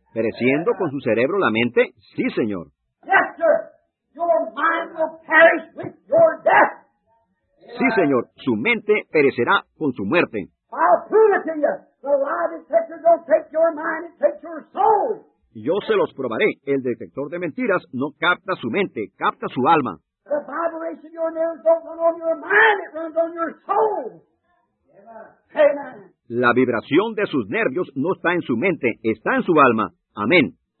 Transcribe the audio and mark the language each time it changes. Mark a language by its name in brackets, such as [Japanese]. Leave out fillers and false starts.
[Spanish] ¿Pereciendo con su cerebro la mente? Sí, Señor. [English] Yes, sir. Your mind will perish with your death. [Spanish] Sí, Señor, su mente perecerá con su muerte. [English] I'll prove it to you. The lie detector don't take your mind, it takes your soul. [Spanish] Yo se los probaré. El detector de mentiras no capta su mente, capta su alma. [English] The vibration of your nerves don't run on your mind, it runs on your soul. Amen. [Spanish] La vibración de sus nervios no está en su mente, está en su alma. Amén.